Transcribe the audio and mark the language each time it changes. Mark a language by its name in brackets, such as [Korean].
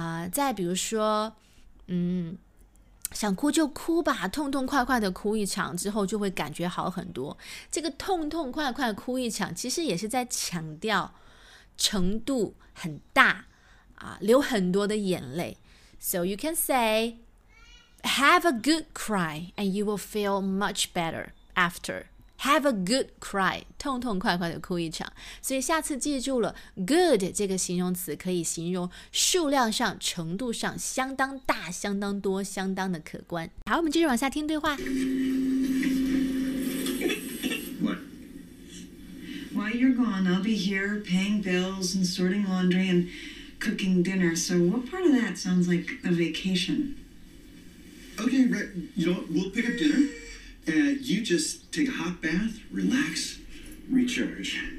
[Chinese] 再比如说想哭就哭吧，痛痛快快的哭一场之后就会感觉好很多。这个痛痛快快哭一场其实也是在强调程度很大，流很多的眼泪。 [English] So you can say have a good cry and you will feel much better after. Have a good cry, [Chinese] 痛痛快快的哭一场。所以下次记住了 good 这个形容词可以形容数量上、程度上相当大、相当多、相当的可观。好，我们继续往下听对话。 [English] What? While you're gone, I'll be here paying bills and sorting laundry and cooking dinner. So what part of that sounds like a vacation? Okay, right. You know what? We'll pick up dinner. You just take a hot bath, relax, recharge.